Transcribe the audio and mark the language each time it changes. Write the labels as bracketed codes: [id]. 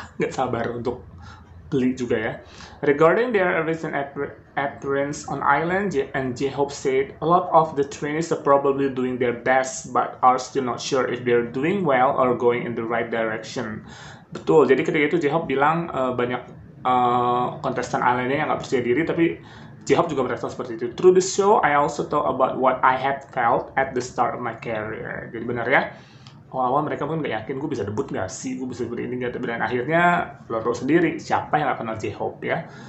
[id] Nggak sabar untuk beli juga ya. [en] Regarding their recent appearance on Island, and J-Hope said, a lot of the trainees are probably doing their best, but are still not sure if they're doing well or going in the right direction. [id] Betul, jadi ketika itu J-Hope bilang banyak kontestan Islandnya yang nggak percaya diri, tapi J-Hope juga merasa seperti itu. [en] Through the show, I also thought about what I had felt at the start of my career. [id] Jadi benar ya, awal-awal mereka pun gak yakin, gue bisa debut gak sih, gue bisa debut ini gak, tapi dan akhirnya lo tau sendiri, siapa yang gak kenal J-Hope ya.